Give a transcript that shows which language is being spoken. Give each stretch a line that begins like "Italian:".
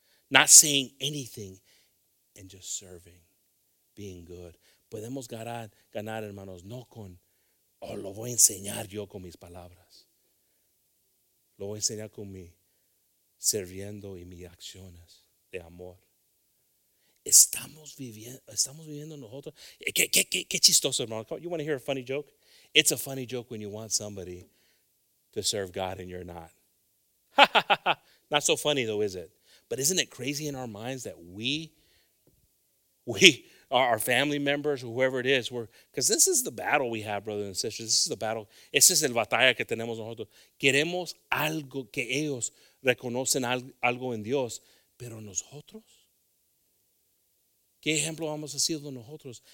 English: Not saying anything and just serving, being good.
Spanish: Podemos ganar, hermanos, no con, oh, lo voy a enseñar yo con mis palabras. Lo voy a enseñar con mi sirviendo y mis acciones de amor. Estamos viviendo nosotros. ¿Qué chistoso, hermano?
English: You want to hear a funny joke? It's a funny joke when you want somebody to serve God and you're not. Not so funny, though, is it? But isn't it crazy in our minds that we our family members, whoever it is, because this is the battle we have, brothers and sisters. This is the battle.
Spanish: Esa es la batalla que tenemos nosotros. Queremos algo que ellos reconocen algo en Dios. Pero nosotros, ¿qué ejemplo vamos a hacer nosotros?